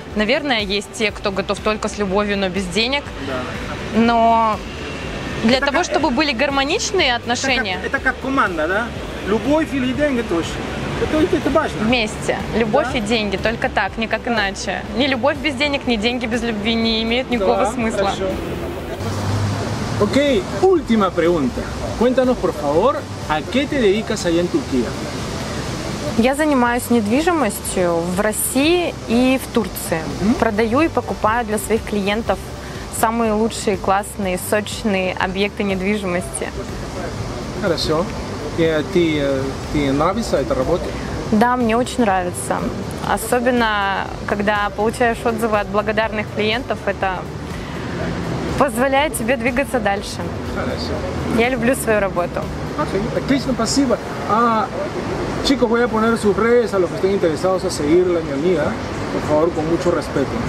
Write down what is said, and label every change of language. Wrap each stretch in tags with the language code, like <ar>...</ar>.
<ru>Наверное, есть те, кто готов только с любовью, но без денег. Но для того, чтобы были гармоничные отношения... Это как команда, да? Любовь или деньги тоже. Это важно. Вместе. Любовь, да? И деньги. Только так, никак иначе. Ни любовь без денег, ни деньги без любви не имеют никакого смысла. Хорошо.</ru> <es>Окей, última pregunta. Cuéntanos, por favor, ¿a qué te dedicas allá en Turquía?</es> <ru>Я занимаюсь недвижимостью в России и в Турции. Продаю и покупаю для своих клиентов самые лучшие, классные, сочные объекты недвижимости. Хорошо. Ты нравится эта работа? Да, мне очень нравится. Особенно, когда получаешь отзывы от благодарных клиентов, это позволяет тебе двигаться дальше. Хорошо. Я люблю свою работу. Отлично, спасибо.</ru> <es>Chicos, voy a poner sus redes a los que estén interesados a seguirla, mi amiga. Por favor, con mucho respeto.</es>